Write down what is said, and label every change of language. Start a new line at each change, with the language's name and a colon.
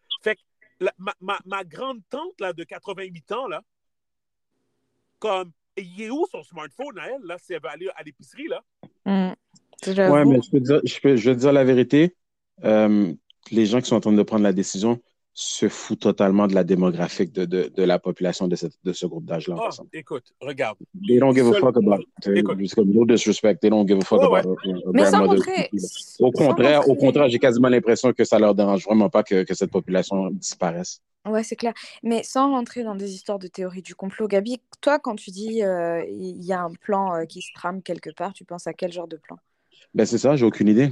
French: Fait que ma grande tante là de 88 ans là, comme il est où son smartphone à elle là, si elle veut aller à l'épicerie là. Ouais, mais je veux dire la vérité, les gens qui sont en train de prendre la décision se foutent totalement de la démographie de la population de ce groupe d'âge là. Écoute, regarde.
English: They don't give a fuck about.
French: Écoute,
English: no disrespect, they don't give a fuck about.
French: Mais sans Au contraire, j'ai quasiment l'impression que ça leur dérange vraiment pas que cette population disparaisse. Ouais, c'est clair. Mais sans rentrer dans des histoires de théorie du complot, Gabi, toi, quand tu dis il y a un plan qui se trame quelque part, tu penses à quel genre de plan? Ben c'est ça, j'ai aucune idée.